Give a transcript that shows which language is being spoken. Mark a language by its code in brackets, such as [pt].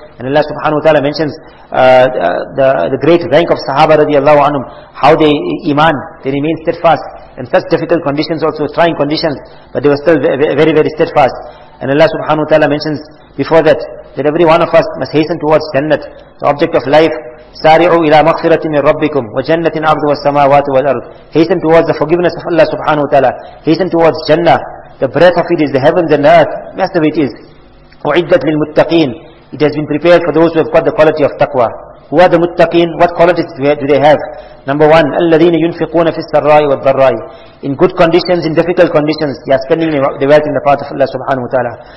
[en] And Allah subhanahu wa ta'ala mentions the great rank of Sahaba radiallahu anhum, how they iman, they remain steadfast in such difficult conditions also, trying conditions, but they were still very, very steadfast. And Allah subhanahu wa ta'ala mentions before that every one of us must hasten towards Jannat, the object of life. [ar] سارعوا إلى مغفرة من ربكم وجنة عرضها السماوات والأرض. [en] Hasten towards the forgiveness of Allah subhanahu wa ta'ala. Hasten towards Jannah. The breath of it is the heavens and the earth. Massive it is. [ar] وعدت للمتقين. [en] It has been prepared for those who have got the quality of taqwa. Who are the muttaqeen? What qualities do they have? Number one, [ar] الَّذِينَ يُنْفِقُونَ فِي السَّرَّاءِ وَالضَّرَّاءِ. [en] In good conditions, in difficult conditions, they are spending the wealth in the path of Allah subhanahu wa ta'ala.